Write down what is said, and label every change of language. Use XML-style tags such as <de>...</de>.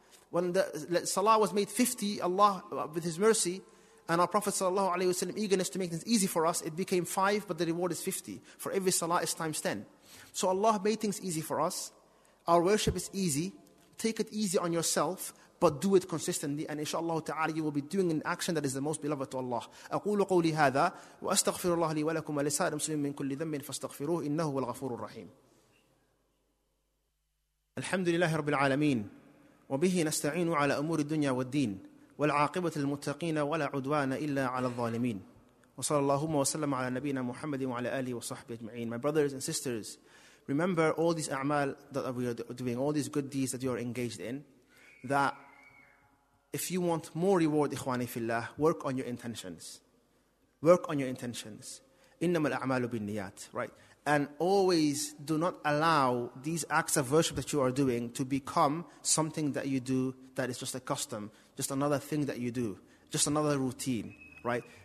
<en>When the salah was made 50, Allah, with His mercy, and our Prophet sallallahu alayhi wa sallam, eagerness to make things easy for us, it became 5, but the reward is 50. For every salah is times 10. So Allah made things easy for us. Our worship is easy. Take it easy on yourself, but do it consistently, and inshallah ta'ala, you will be doing an action that is the most beloved to Allah.</en> <ar>أقول قولي هذا وأستغفر الله لي ولكم ولسائر المسلمين من كل ذنب فاستغفروه إنه هو الغفور الرحيم. الحمد لله رب العالمين وبه نستعين على أمور الدنيا والدين والعاقبة للمتقين ولا عدوان إلا على الظالمين وصلى اللهم وسلم على نبينا محمد وعلى آله وصحبه أجمعين.</ar> <en>My brothers and sisters, remember all these a'mal that we are doing, all these good deeds that you are engaged in, that if you want more reward, ikhwani fillah, work on your intentions. Work on your intentions.</en> <ar>إنما الأعمال بالنيات.</ar> <en>Right? And always do not allow these acts of worship that you are doing to become something that you do that is just a custom, just another thing that you do, just another routine, right?</en>